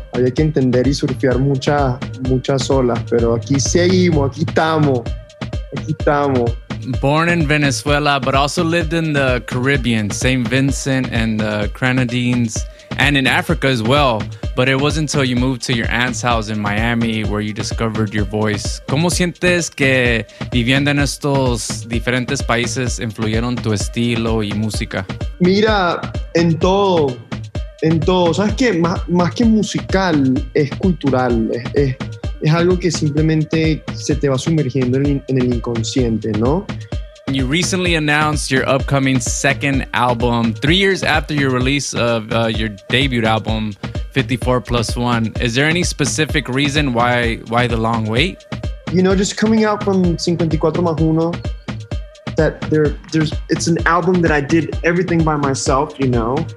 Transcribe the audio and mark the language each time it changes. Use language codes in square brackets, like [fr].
[es] Había que entender y surfear muchas olas. Pero aquí seguimos, aquí estamos. Aquí estamos. [en] Born in Venezuela, but also lived in the Caribbean, St. Vincent and the Grenadines. and in Africa as well. But it wasn't until you moved to your aunt's house in Miami where you discovered your voice. [es] ¿Cómo sientes que viviendo en estos diferentes países influyeron tu estilo y música? Mira, en todo. En todo. ¿Sabes qué? Más que musical, es cultural. Es algo que simplemente se te va sumergiendo en el inconsciente, ¿no? [en] You recently announced your upcoming second album 3 years after your release of your debut album, 54 Plus One. Is there any specific reason why the long wait? You know, just coming out from 54 Más Uno, that there's it's an album that I did everything by myself, you know.